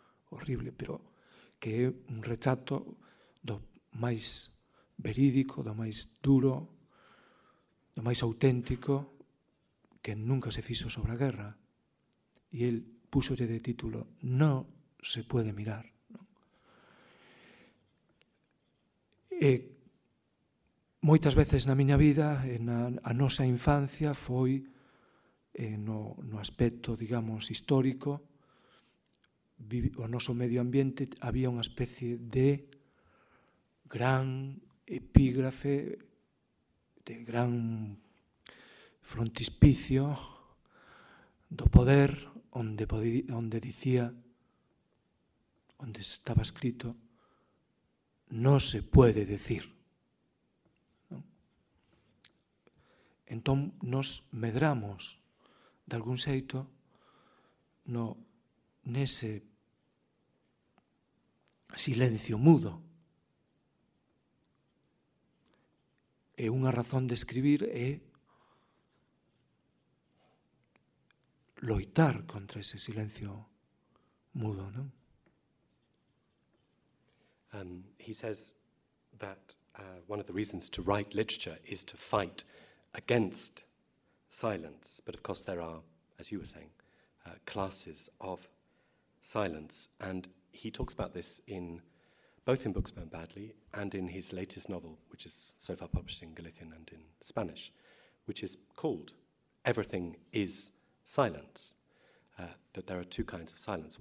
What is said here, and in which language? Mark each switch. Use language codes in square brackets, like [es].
[gl] Horrible, pero que é un retrato do máis verídico, do máis duro, do máis auténtico que nunca se fixo sobre a guerra. E el púxolle de título "No se puede mirar", non? E moitas veces na miña vida, a nosa infancia foi no aspecto, digamos, histórico, o noso medio ambiente había unha especie de gran epígrafe, de gran frontispicio do poder, onde dicía, onde estaba escrito, [es] "No se puede decir". [gl] Non? Entón, nos medramos de algún xeito nese silencio mudo. E unha razón de escribir é loitar contra ese silencio mudo, non? [en] He says that one of the reasons to write literature is to fight against silence. But of course there are, as you were saying, classes of silence. And he talks about this in both in Books Burned Badly and in his latest novel, which is so far published in Galician and in Spanish, which is called Everything is Silence, that there are two kinds of silence.